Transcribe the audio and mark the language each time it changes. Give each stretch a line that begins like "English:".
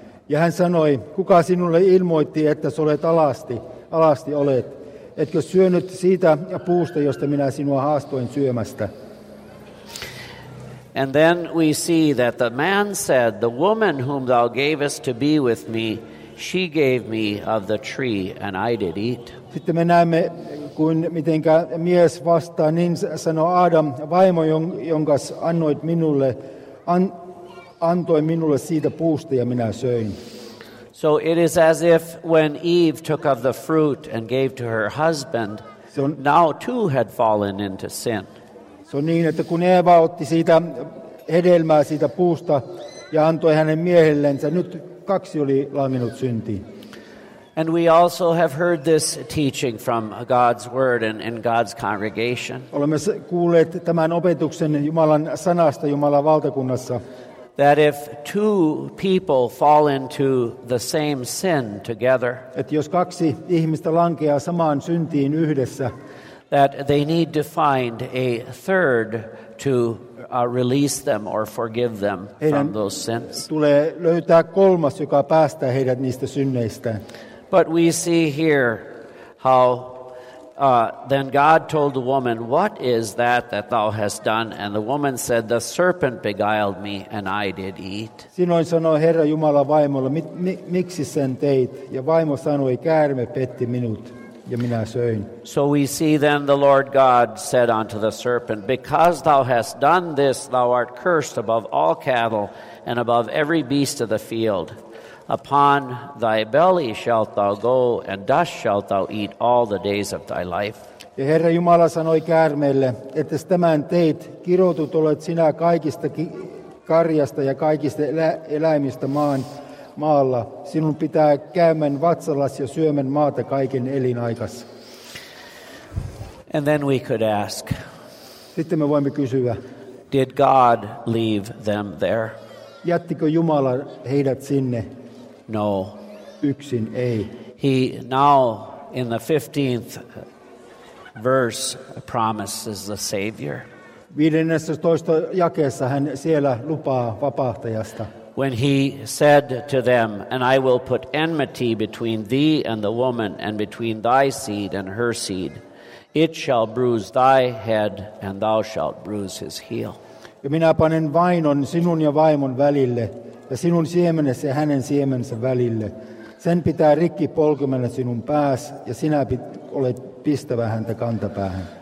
Finnish: Ja hän sanoi, "Kuka sinulle ilmoitti, että sä olet alasti? Alasti olet. Etkö syönyt siitä puusta, josta minä sinua haastoin syömästä?"
English: And then we see that the man said, "The woman whom thou gavest to be with me, she gave me of the tree, and I did eat."
Finnish: Sitten me näemme, kuin mitenkä mies vastaa, niin sanoi Adam, "Vaimo, jonka annoit minulle, antoi minulle siitä puusta, ja minä söin."
English: So it is as if when Eve took of the fruit and gave to her husband, so now too had fallen into sin.
Finnish: Se on niin, että kun Eeva otti siitä hedelmää siitä puusta ja antoi hänen miehellensä, nyt kaksi oli langennut syntiin.
English: And we also have heard this teaching from God's word and in God's congregation.
Finnish: Olemme kuulleet tämän opetuksen Jumalan sanasta Jumalan valtakunnassa.
English: That if two people fall into the same sin together,
Finnish: että jos kaksi ihmistä lankeaa samaan syntiin yhdessä,
English: that they need to find a third to release them or forgive them from those sins.
Finnish: Tulee löytää kolmas, joka päästää heidät niistä synneistä.
English: But we see here how then God told the woman, "What is that that thou hast done?" And the woman said, "The serpent beguiled me, and I did eat."
Finnish: Sinoin sanoi Herra Jumala vaimolle, miksi sen teit? Ja vaimo sanoi, käärme petti minut. Ja minä söin.
English: So we see then the Lord God said unto the serpent, "Because thou hast done this, thou art cursed above all cattle and above every beast of the field. Upon thy belly shalt thou go, and dust shalt thou eat all the days of thy life."
Finnish: Ja Herra Jumala sanoi käärmeelle, että tämän teit, kirotut olet sinä kaikista karjasta ja kaikista eläimistä maalla. Sinun pitää käymän vatsallas ja syömän maata kaiken elinaikas.
English: And then we could ask.
Finnish: Sitten me voimme kysyä.
English: Did God leave them there?
Finnish: Jättikö Jumala heidät sinne?
English: No.
Finnish: Yksin ei.
English: He now in the 15th verse promises the Savior.
Finnish: 15. jakeessa hän siellä lupaa vapahtajasta.
English: When he said to them, "And I will put enmity between thee and the woman, and between thy seed and her seed. It shall bruise thy head, and thou shalt bruise his heel."
Finnish: Ja minä panen vainon sinun ja vaimon välille, ja sinun siemenesi ja hänen siemensä välille. Sen pitää rikki polkemena sinun pääs, ja sinä olet pistävä häntä kantapäähän.